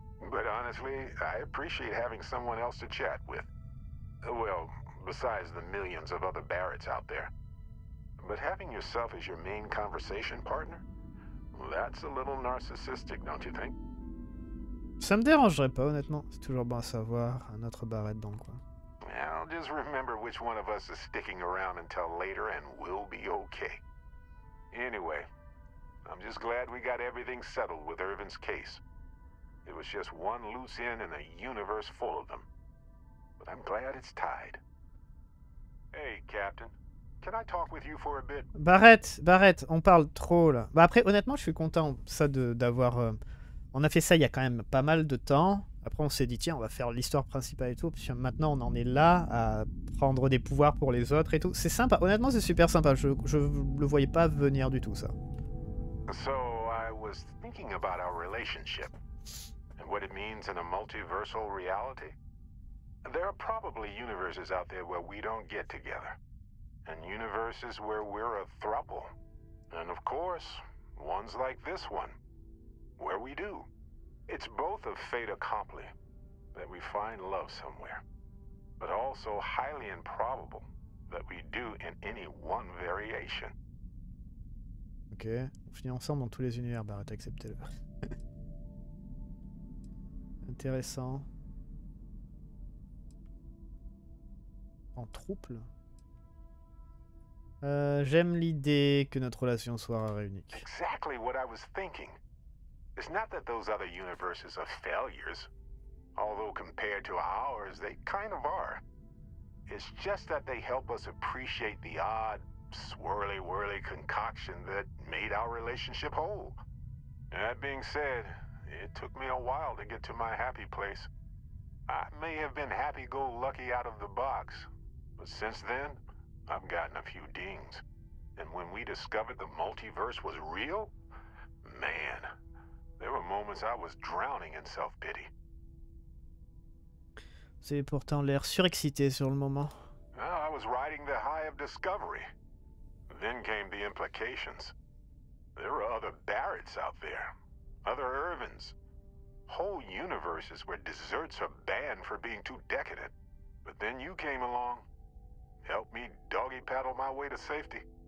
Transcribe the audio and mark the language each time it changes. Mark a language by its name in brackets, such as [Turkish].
[English] But honestly, I appreciate having someone else to chat with. Well, besides the millions of other Barretts out there. But having yourself as your main conversation partner, that's a little narcissistic, don't you think? [French] Ça me dérangerait pas, honnêtement. C'est toujours bon à savoir, un autre Barrett dans le coin. [English] I'll just remember which one of us is sticking around until later and we'll be okay. Anyway, I'm just glad we got everything settled with Irvin's case. It was just one loose end in a universe full of them. But I'm glad it's tied. Hey, Captain. Can I talk with you for a bit? [French] Barrett, on parle trop là. Bah après, honnêtement, je suis content ça d'avoir... On a fait ça il y a quand même pas mal de temps. Après, on s'est dit, tiens, on va faire l'histoire principale et tout. Puis maintenant, on en est là à prendre des pouvoirs pour les autres et tout. C'est sympa. Honnêtement, c'est super sympa. Je le voyais pas venir du tout, ça. [English] So, I was thinking about our relationship and what it means in a multiversal reality. There are probably universes out there where we don't get together. And universes where we're a throuple. And of course, ones like this one. Where we do. It's both a fait accompli that we find love somewhere, but also highly improbable that we do in any one variation. [French] Ok, on finit ensemble dans tous les univers, Barrett, acceptez-le. Intéressant. En trouble. J'aime l'idée que notre relation soit unique. [English] Exactly what I was thinking. It's not that those other universes are failures. Although compared to ours, they kind of are. It's just that they help us appreciate the odd, swirly-whirly concoction that made our relationship whole. That being said, it took me a while to get to my happy place. I may have been happy-go-lucky out of the box, but since then, I've gotten a few dings. And when we discovered the multiverse was real, man, there were moments I was drowning in self-pity. [French] Vous avez pourtant l'air surexcité sur le moment. [English] Well, I was riding the high of discovery. Then came the implications. There were other Barretts out there. Other Irvins. Whole universes where desserts are banned for being too decadent. But then you came along. Helped me doggy paddle my way to safety.